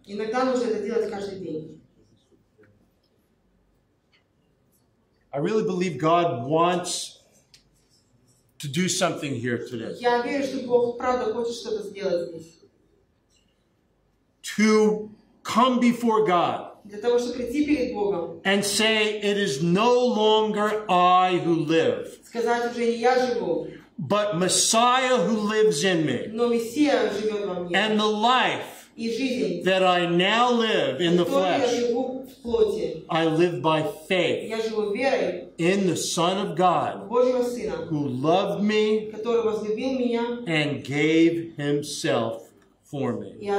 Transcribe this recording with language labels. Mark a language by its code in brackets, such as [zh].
[ru] Иногда нужно это делать каждый день. [en] I really believe God wants to do something here today. [ru] Я верю, что Бог правда хочет что-то сделать здесь. [en] To come before God. [ru] Для того, чтобы прийти перед Богом. [en] And say, it is no longer I who live. [ru] Сказать уже не я живу. [en] But Messiah who lives in me. [ru] Но Мессия живет во мне. [en] And the life that I now live in the flesh, I live by faith in the Son of God who loved me and gave Himself for me.